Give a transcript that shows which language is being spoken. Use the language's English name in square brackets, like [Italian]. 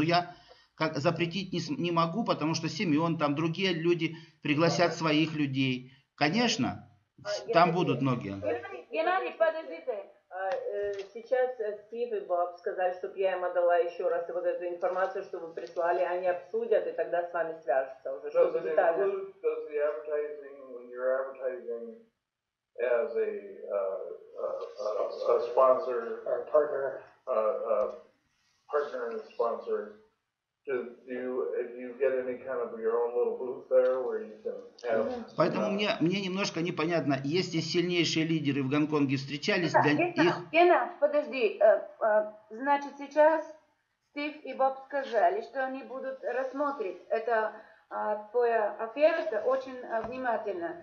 [Russian] Но я запретить не могу, потому что Семен, там другие люди пригласят своих людей. Конечно, там будут многие. Геннадий, подождите. Сейчас Стив и Боб сказали, чтобы я им отдала еще раз вот эту информацию, что вы прислали, они обсудят и тогда с вами свяжутся уже. [English] Does the advertising, when you're advertising as a sponsor, or partner, partner and sponsor, do you get any kind of your own little booth there where you can have... [Russian] Поэтому мне немножко непонятно, есть ли сильнейшие лидеры в Гонконге встречались для них... Гена, подожди. Значит, сейчас Стив и Боб сказали, что они будут рассмотреть это твоя оферта очень внимательно.